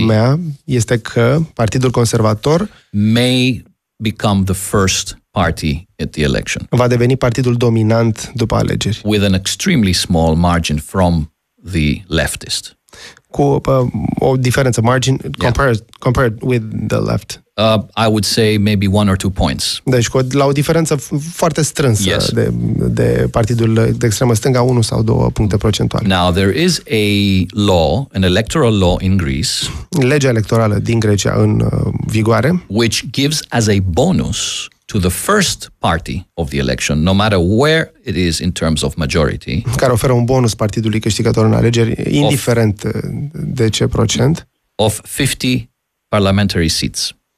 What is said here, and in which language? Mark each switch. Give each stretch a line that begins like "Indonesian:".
Romanian: mea este că Partidul Conservator
English: may become the first party at the election.
Romanian: Va deveni partidul dominant după alegeri.
English: With an extremely small margin from the leftist.
Romanian: Cu o diferență margin, yeah.
English: compared with the left. I would say maybe one or two points.
Romanian: Deci la o diferență foarte strânsă,
English: yes.
Romanian: de partidul de extremă stânga, 1 sau 2 puncte procentuale.
English: Now there is a law, an electoral law in Greece.
Romanian: Legea electorală din Grecia în vigoare,
English: which gives as a bonus to the first party of the election, no matter where it is in terms of majority,
Romanian: care oferă un bonus partidului câștigător în alegeri, indiferent de ce procent,
English: of 50 parliamentary seats.